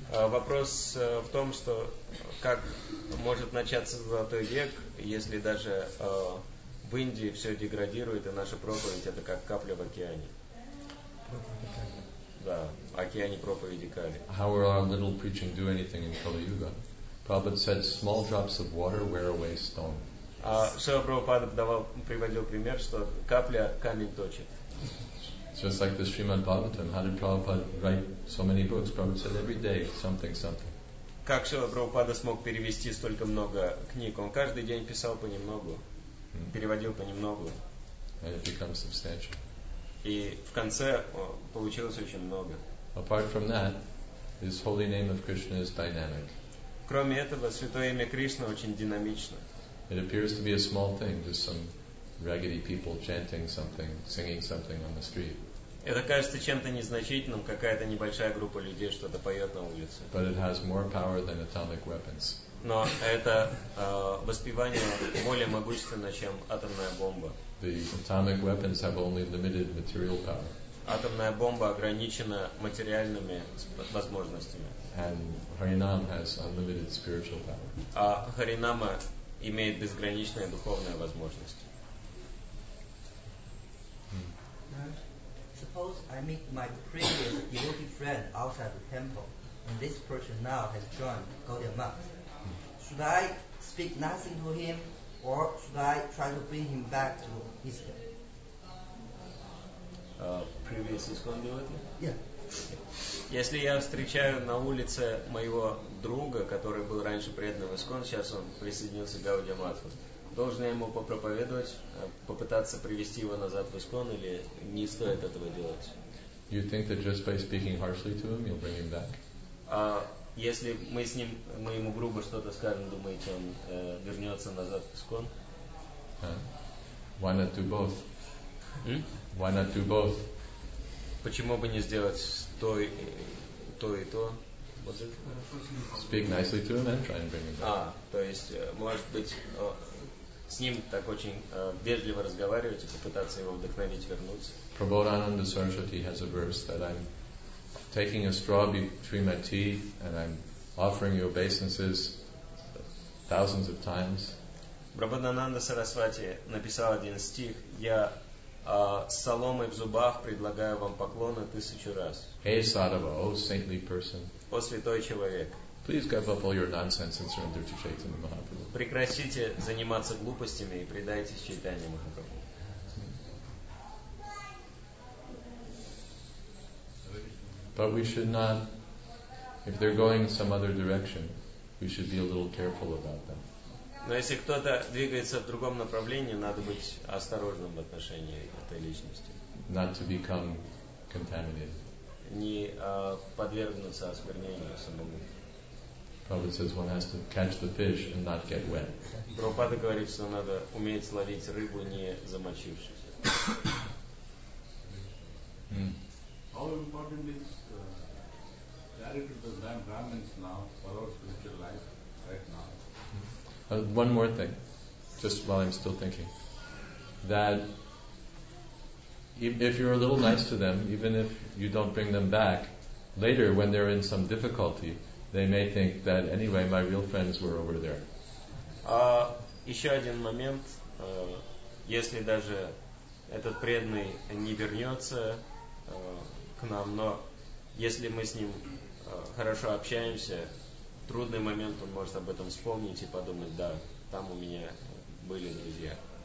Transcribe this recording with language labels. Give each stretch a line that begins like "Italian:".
Russian: Вопрос в том, что как может начаться Золотой век, если даже в Индии все деградирует, и наша проповедь это как капля в океане. Да, океане проповеди Кали.
English: How will our little preaching do anything in Kali Yuga? Prabhupada said, small drops of water wear away stone.
Russian: Шрила Прабхупада приводил пример, что капля камень точит.
English: Just like the Srimad Bhagavatam, how did Prabhupada write so many books? Prabhupada said every day something, something.
Russian: Как Шрила Прабхупада смог перевести столько много книг? Он каждый день писал понемногу, переводил понемногу.
English: And it becomes substantial.
Russian: И в конце получилось очень много.
English: Apart from that, his holy name of Krishna is dynamic.
Russian: Кроме этого, святое имя Кришна очень динамично.
English: It appears to be a small thing, just some raggedy people chanting something, singing something on the street.
Russian: Это кажется чем-то незначительным, какая-то небольшая группа людей что-то поет на улице.
English: But it has more power than atomic weapons.
Russian: Но это воспевание более могущественно, чем атомная бомба.
English: The atomic weapons have only limited material power.
Russian: Атомная бомба ограничена материальными возможностями.
English: And Харинам has unlimited spiritual power.
Russian: А Харинама имеет безграничные духовные возможности.
English: Suppose I meet my previous devotee friend outside the temple, and this person now has joined Gaudiya Math. Should I speak nothing to him, or should I try to bring him back to his temple? Previous ISKCON devotee? Yeah.
Russian: Если я встречаю на улице моего друга, который был раньше преданным ISKCON, сейчас он присоединился к Gaudiya Math. Должен я ему попроповедовать, попытаться привести его назад в ИСКОН, или не стоит этого делать?
English: You think that just by speaking harshly to him, you'll bring him back?
Russian: Если мы с ним, мы ему грубо что-то скажем, думаете, он вернется назад в Искон?
English: Why not do both? Why not do both?
Russian: Почему бы не сделать то и то? И то?
English: Speak nicely to him and try and bring him back.
Russian: А, то есть, может быть, с ним так очень вежливо разговаривать и попытаться его вдохновить вернуться.
English: Prabodhananda Saraswati has a verse that I'm taking a straw between my teeth and I'm offering you obeisances thousands of times.
Russian: Prabodhananda Saraswati написал один стих: я с соломой в зубах предлагаю вам поклоны тысячу раз.
English: Hey, sadhava, oh saintly person.
Russian: О святой человек.
English: Please give up all your nonsense and surrender to Chaitanya Mahaprabhu.
Russian: Прекратите заниматься глупостями и предайтесь Чайтанье Махапрабху.
English: But we should not, if they're going some other direction, we should be a little careful about them.
Russian: Но если кто-то двигается в другом направлении, надо быть осторожным в отношении этой личности.
English: Not to become contaminated.
Russian: Не подвергнуться осквернению самому.
English: Prabhupada says one has to catch the fish and not get wet.
Russian: Прабхупада говорит, что надо уметь ловить рыбу, не замочившись.
English: How important is charity to the Brahmins now for our spiritual life right now? One more thing, just while I'm still thinking, that if you're a little nice to them, even if you don't bring them back, later when they're in some difficulty, they may think that anyway, my real friends were over there.
Russian: Еще один момент. Если даже этот преданный не вернется к нам, но если мы с ним хорошо общаемся, трудный момент, он может об этом вспомнить и подумать, да, там у меня были друзья.